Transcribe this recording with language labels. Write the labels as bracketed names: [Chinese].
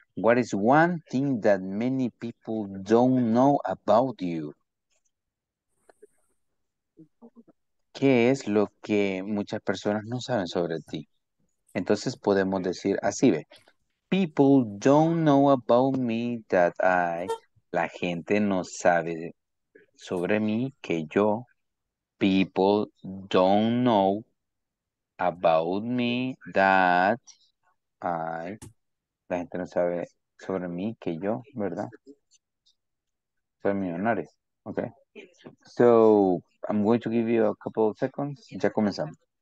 [English] What is one thing that many people don't know about you? [Spanish] ¿Qué es lo que muchas personas no saben sobre ti? Entonces podemos decir así, ve. [English] People don't know about me that I... [Spanish] La gente no sabe sobre mí que yo... [English] People don't know about me that... [Spanish] Ay, la gente no sabe sobre mí que yo, ¿verdad? Soy millonario, ¿ok? [English] So, I'm going to give you a couple of seconds. [Spanish] Ya comenzamos.